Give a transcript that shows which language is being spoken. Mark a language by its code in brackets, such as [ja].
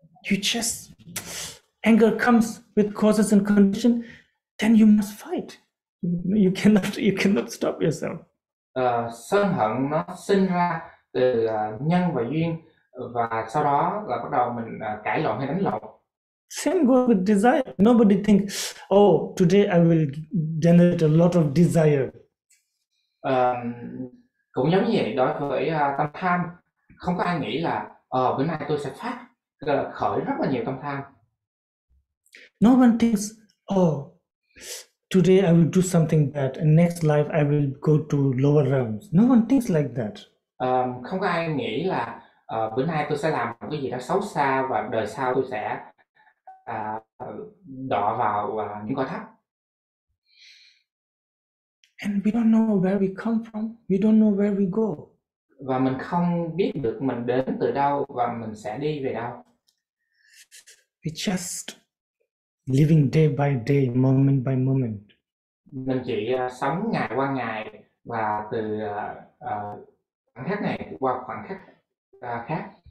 [en] You just, anger comes with causes and conditions, then you must fight. You cannot stop yourself. [vi] Sân hận nó sinh ra từ nhân và duyên, và sau đó là bắt đầu mình cãi lộn hay đánh lộn. [en] Same goes with desire. Nobody thinks, today I will generate a lot of desire. [vi] Cũng giống như vậy đối với tâm tham. Không có ai nghĩ là bữa nay tôi sẽ phát khởi rất là nhiều tâm tham. [en] No one thinks, today I will do something bad, and next life I will go to lower realms. No one thinks like that. [vi] Không có ai nghĩ là bữa nay tôi sẽ làm một cái gì đó xấu xa và đời sau tôi sẽ đọa vào những cõi thấp. [en] And we don't know where we come from. We don't know where we go. [vi] Và mình không biết được mình đến từ đâu và mình sẽ đi về đâu. [en] We just living day by day, moment by moment. [vi] Mình chỉ sống ngày qua ngày và từ khoảnh khắc này qua khoảnh khắc khác.